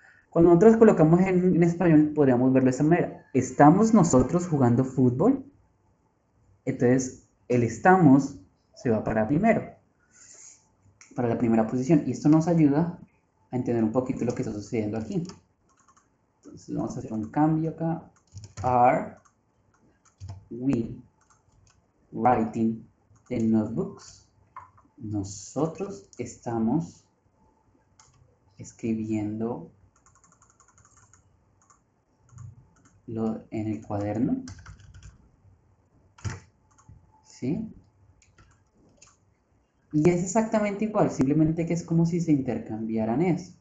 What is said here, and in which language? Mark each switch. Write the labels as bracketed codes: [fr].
[es] Cuando nosotros colocamos en español, podríamos verlo de esta manera: ¿estamos nosotros jugando fútbol? Entonces, el estamos se va para primero, para la primera posición. Y esto nos ayuda a entender un poquito lo que está sucediendo aquí. Entonces, vamos a hacer un cambio acá. [en] Are we writing the notebooks? [es] Nosotros estamos escribiendo en el cuaderno. ¿Sí? Y es exactamente igual, simplemente que es como si se intercambiaran eso.